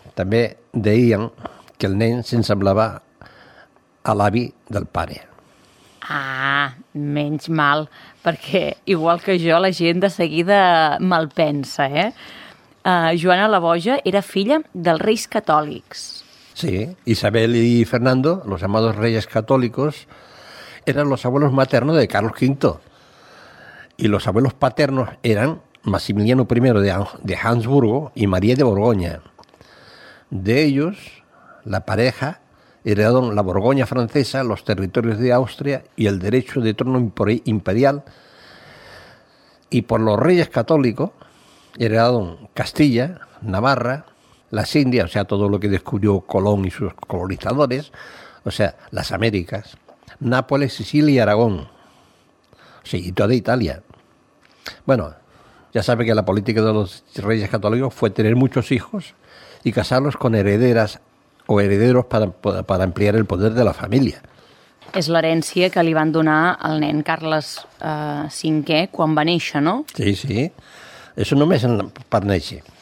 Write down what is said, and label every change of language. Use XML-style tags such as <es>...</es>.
<ca>També deien que el nen se'n semblava a l'avi del pare. Ah, menys mal, perquè igual que jo, la gent de seguida malpensa, eh? Joana la Boja era filla dels Reis Catòlics.</ca> <es>Sí, Isabel y Fernando, los llamados reyes católicos, eran los abuelos maternos de Carlos V. Y los abuelos paternos eran Maximiliano I de Habsburgo y María de Borgoña. De ellos, la pareja heredaron la Borgoña francesa, los territorios de Austria y el derecho de trono imperial. Y por los reyes católicos heredaron Castilla, Navarra, las Indias, o sea, todo lo que descubrió Colón y sus colonizadores, o sea, las Américas, Nápoles, Sicilia y Aragón, sí, y toda Italia. Bueno, ya sabe que la política de los reyes católicos fue tener muchos hijos y casarlos con herederas o herederos para ampliar el poder de la familia.</es> <ca>És l'herència que li van donar al nen Carles V quan va néixer, no? Sí, sí, eso només per néixer.</ca>